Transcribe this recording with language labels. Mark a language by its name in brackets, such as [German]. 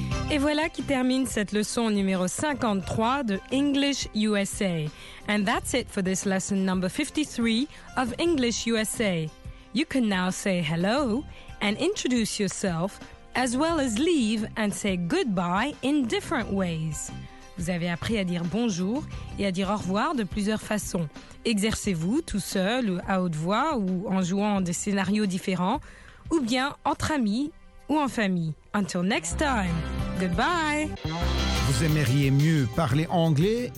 [French] Et voilà qui termine cette leçon numéro 53 de English USA. [English] And that's it for this lesson number 53 of English USA. You can now say hello and introduce yourself, as well as leave and say goodbye in different ways. [French] Vous avez appris à dire bonjour et à dire au revoir de plusieurs façons. Exercez-vous tout seul ou à haute voix ou en jouant des scénarios différents ou bien entre amis ou en famille. [English] Until next time, goodbye! [French] Vous aimeriez mieux parler anglais?